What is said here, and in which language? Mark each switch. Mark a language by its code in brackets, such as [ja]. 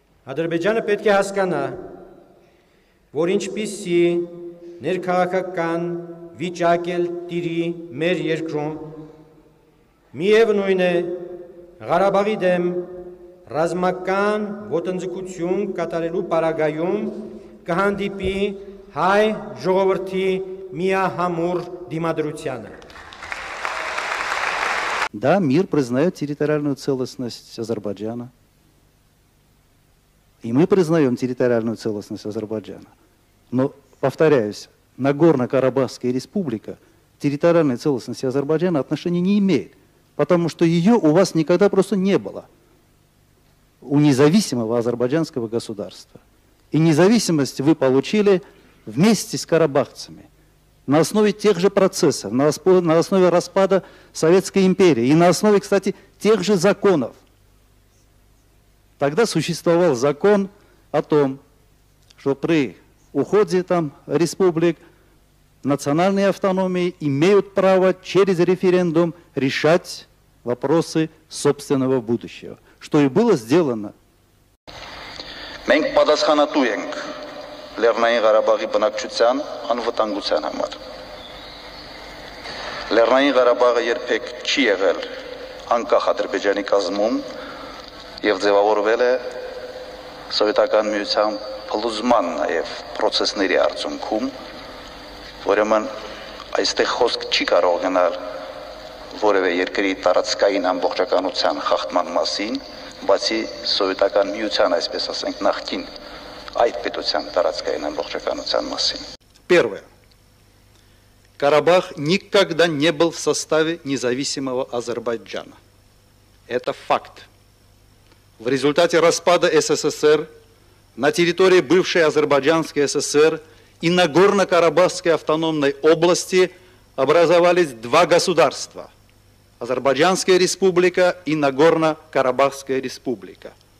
[hy] Ադրբեջանը պետք է հասկանա, որ ինչպիսի ներքաղաքական վիճակ էլ տիրի մեր երկրում, միևնույն է, Ղարաբաղի դեմ ռազմական ոտնձգություն կատարելու պարագայում կհանդիպի հայ ժողովրդի միահամուռ դիմադրությանը։ [ru] Да, мир признает территориальную целостность Азербайджана. И мы признаем территориальную целостность Азербайджана. Но, повторяюсь, Нагорно-Карабахская республика территориальной целостности Азербайджана отношения не имеет, потому что ее у вас никогда просто не было, у независимого азербайджанского государства. И независимость вы получили вместе с карабахцами. На основе тех же процессов, на основе распада Советской империи и на основе, кстати, тех же законов. Тогда существовал закон о том, что при уходе там республик национальные автономии имеют право через референдум решать вопросы собственного будущего, что и было сделано. Мы подосканатуем [hy] Լեռնային Ղարաբաղի բնակչության անվտանգության համար։ Լեռնային Ղարաբաղը երբեք չի եղել անկախ Ադրբեջանի կազմում և ձևավորվել է Սովետական Միության փլուզման նաև պրոցեսների արդյունքում, ուրեմն այստեղ խոսք չի կարող գնալ որևէ երկրի տարածքային ամբողջականության խախտման մասին, բացի Սովետական Միության, այսպես ասենք, նախկին այդ պետության տարածքային ամբողջականության մասին։ [ru] Первое. Карабах никогда не был в составе независимого Азербайджана. Это факт. В результате распада СССР на территории бывшей Азербайджанской ССР и Нагорно-Карабахской автономной области образовались два государства: Азербайджанская республика и Нагорно-Карабахская республика.